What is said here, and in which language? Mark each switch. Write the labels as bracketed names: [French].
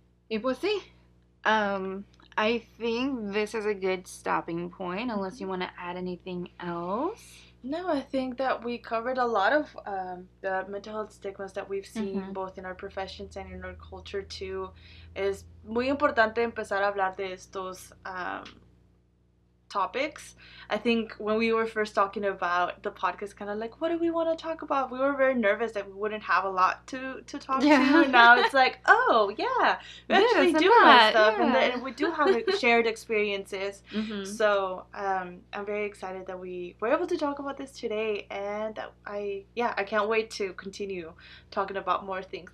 [Spanish] Y pues sí. [English] I think this is a good stopping point, unless you want to add anything else. No, I think that we covered a lot of the mental health stigmas that we've seen both in our professions and in our culture too. [Spanish] Es muy importante empezar a hablar de estos topics. [English] I think when we were first talking about the podcast, kind of like, what do we want to talk about? We were very nervous that we wouldn't have a lot to talk to. And now it's like, oh yeah, we actually do know stuff, and we do have shared experiences. So I'm very excited that we were able to talk about this today, and that I can't wait to continue talking about more things.